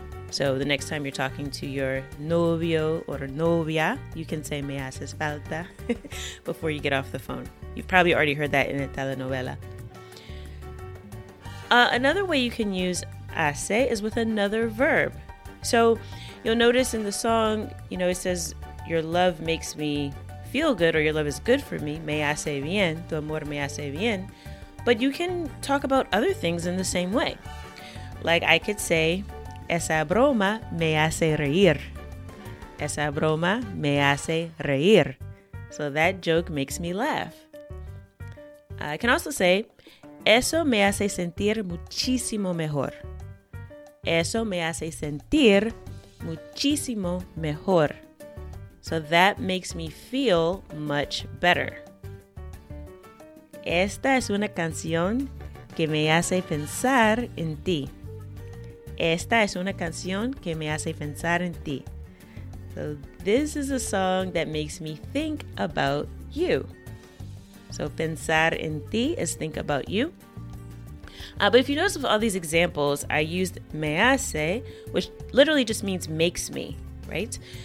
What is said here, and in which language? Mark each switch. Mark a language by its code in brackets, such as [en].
[en] So the next time you're talking to your novio or novia, you can say [es] me haces falta [en] before you get off the phone. You've probably already heard that in a telenovela. Another way you can use hace is with another verb. So you'll notice in the song, you know, it says, your love makes me feel good, or your love is good for me. [es] Me hace bien, tu amor me hace bien. [en] But you can talk about other things in the same way. Like I could say, [es] esa broma me hace reír. Esa broma me hace reír. [en] So that joke makes me laugh. I can also say, [es] eso me hace sentir muchísimo mejor. Eso me hace sentir muchísimo mejor. [en] So that makes me feel much better. [es] Esta es una canción que me hace pensar en ti. Esta es una canción que me hace pensar en ti. [en] So this is a song that makes me think about you. So [es] pensar en ti [en] is think about you. But if you notice with all these examples, I used [es] me hace, [en] which literally just means makes me, right?